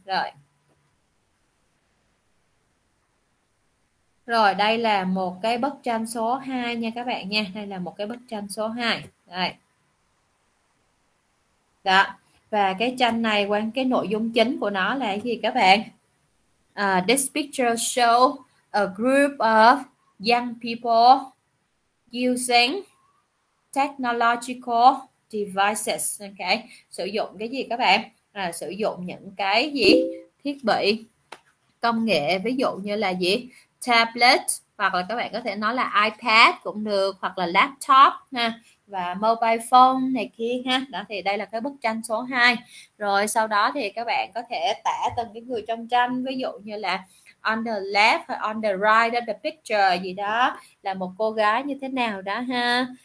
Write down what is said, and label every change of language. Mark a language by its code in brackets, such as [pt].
[vi] Rồi rồi đây là một cái bức tranh số 2 nha các bạn nha, đây là một cái bức tranh số 2 đây. Đó. Và cái tranh này quan cái nội dung chính của nó là cái gì các bạn? [en] This picture show a group of young people using technological devices. [vi] Ok, sử dụng cái gì các bạn? Sử dụng những cái gì? Thiết bị công nghệ, ví dụ như là gì? Tablet, hoặc là các bạn có thể nói là iPad cũng được, hoặc là laptop ha, và mobile phone này kia ha. Đó thì đây là cái bức tranh số 2. Rồi sau đó thì các bạn có thể tả từng cái người trong tranh, ví dụ như là [en] on the left [vi] hay [en] on the right of the picture [vi] gì đó, là một cô gái như thế nào đó ha.